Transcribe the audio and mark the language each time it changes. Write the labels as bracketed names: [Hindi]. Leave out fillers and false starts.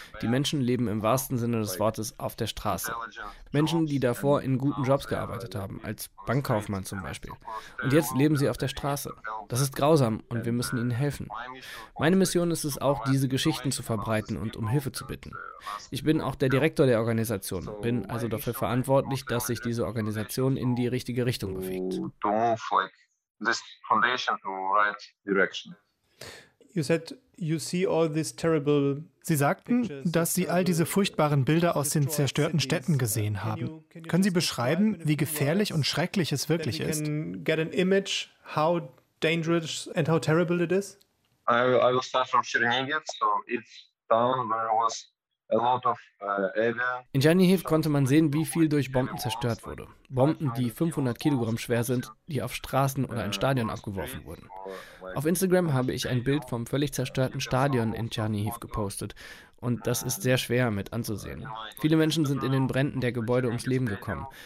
[German] Die Menschen leben im wahrsten Sinne des Wortes auf der Straße. Menschen, die davor in guten Jobs gearbeitet haben, als Bankkaufmann zum Beispiel. Und jetzt leben sie auf der Straße. Das ist grausam und wir müssen ihnen helfen. Meine Mission ist es auch, diese Geschichten zu verbreiten und um Hilfe zu bitten. Ich bin auch der Direktor der Organisation, bin also dafür verantwortlich, dass sich diese Organisation in die richtige Richtung bewegt. [English] To move like this foundation to the right direction. You said you see all this terrible. [German] Sie sagten, dass Sie all diese furchtbaren Bilder aus den zerstörten Städten gesehen haben. Können Sie beschreiben, wie gefährlich und schrecklich es wirklich ist? [English] Can get an image how dangerous and how terrible it is? I was from Chernihiv, so it's town where it was a lot of area. [German] In Chernihiv konnte man sehen, wie viel durch Bomben zerstört wurde. Bomben, die 500 Kilogramm schwer sind, die auf Straßen oder ein Stadion abgeworfen wurden. Auf Instagram habe ich ein Bild vom völlig zerstörten Stadion in Chernihiv gepostet. Und das ist sehr schwer mit anzusehen. Viele Menschen sind in den Bränden der Gebäude ums Leben gekommen.